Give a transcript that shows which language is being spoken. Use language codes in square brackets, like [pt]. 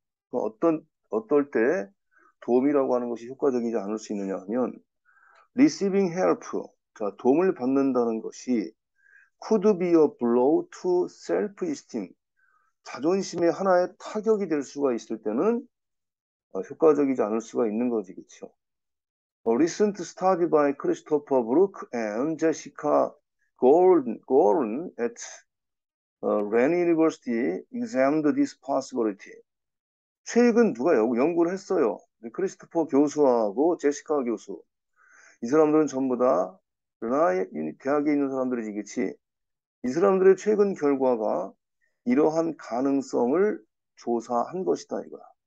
[ko] 어떨 때 도움이라고 하는 것이 효과적이지 않을 수 있느냐 하면 [en] receiving help [ko] 자 도움을 받는다는 것이 [en] could be a blow to self-esteem. [ko] 자존심의 하나의 타격이 될 수가 있을 때는 효과적이지 않을 수가 있는 거지, 그쵸? [en] A recent study by Christopher Brooke and Jessica Gorin at Rand University examined this possibility. [ko] 최근 누가 연구를 했어요? 크리스토퍼 교수하고 제시카 교수. 이 사람들은 전부 다 르나의 대학에 있는 사람들이지, 그치? 이 사람들의 최근 결과가 이러한 가능성을 조사한 것이다, 이거야.